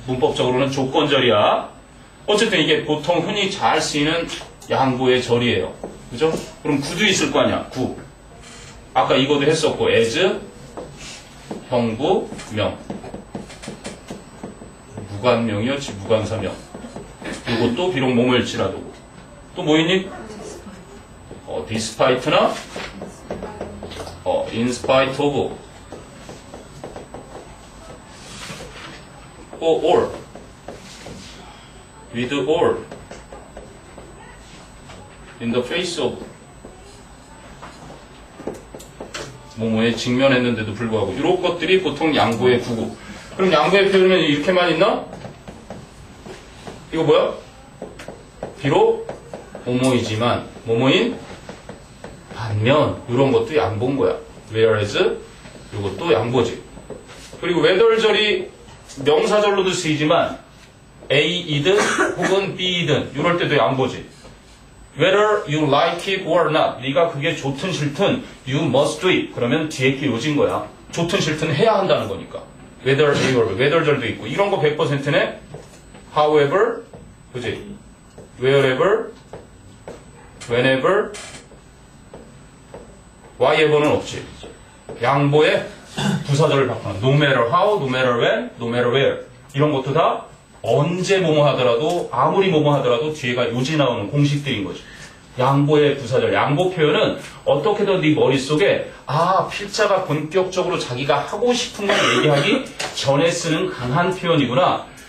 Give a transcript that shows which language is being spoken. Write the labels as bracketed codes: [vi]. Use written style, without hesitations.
[ko] 문법적으로는 조건절이야. 어쨌든 이게 보통 흔히 잘 쓰이는 양보의 절이에요. 그죠? 그럼 구도 있을 거 아니야. 구. 아까 이것도 했었고 as 형부 명 무관명이었지. 무관사명. 이것도 비록 모모일지라도. 또 뭐 있니? despite나 in spite of or with or in the face of 모모에 직면했는데도 불구하고 이런 것들이 보통 양보의 구구. 그럼 양보의 표현은 이렇게만 있나? 이거 뭐야? 비록 모모이지만 모모인 반면 이런 것도 양보인 거야. whereas 이것도 양보지. 그리고 whether절이 명사절로도 쓰이지만 a이든 혹은 b이든 이럴 때도 양보지. [en] whether you like it or not [ko] 네가 그게 좋든 싫든 [en] you must do it [ko] 그러면 뒤에 게 요진 거야. 좋든 싫든 해야 한다는 거니까. whether a or whether절도 있고 이런 거 100%네. however 그지? [en] wherever, whenever, why ever는 없지. [ko] 양보의 부사절을 바꾸는. [en] no matter how, no matter when, no matter where. [ko] 이런 것도 다 언제 뭐뭐 하더라도, 아무리 뭐뭐 하더라도 뒤에가 요지 나오는 공식들인 거지. 양보의 부사절, 양보 표현은 어떻게든 네 머릿속에, 아, 필자가 본격적으로 자기가 하고 싶은 걸 얘기하기 전에 쓰는 강한 표현이구나.